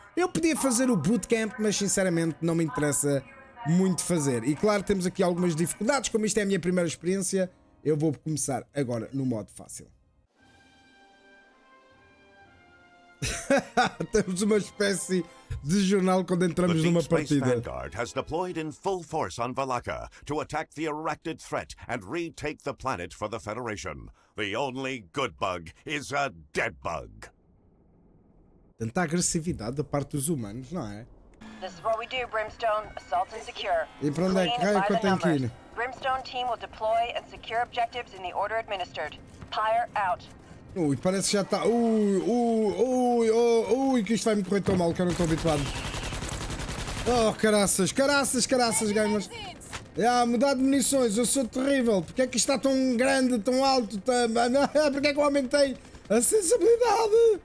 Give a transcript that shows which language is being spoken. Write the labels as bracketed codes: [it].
[pt] Eu podia fazer o Bootcamp, mas sinceramente não me interessa muito fazer. E claro, temos aqui algumas dificuldades. Como isto é a minha primeira experiência, eu vou começar agora no modo fácil. Temos uma espécie de jornal quando entramos numa partida. [en] Vanguard has deployed in full force on Valaka to attack the erected threat and retake the planet for the Federation. The only good bug is a dead bug. [pt] Tanta agressividade da parte dos humanos, não é? [en] This is what we do, Brimstone. Assault and secure. [pt] E para onde é que raio que eu tenho que ir? [en] Brimstone team will deploy and secure objectives in the order administered. Pyre out. [pt] Ui, parece que já está. Ui, que isto vai me correr tão mal, que eu não estou habituado. Oh, caraças, gamers. Ah, mudar de munições, eu sou terrível. Porquê é que isto está tão grande, tão alto? Porquê é que eu aumentei a sensibilidade?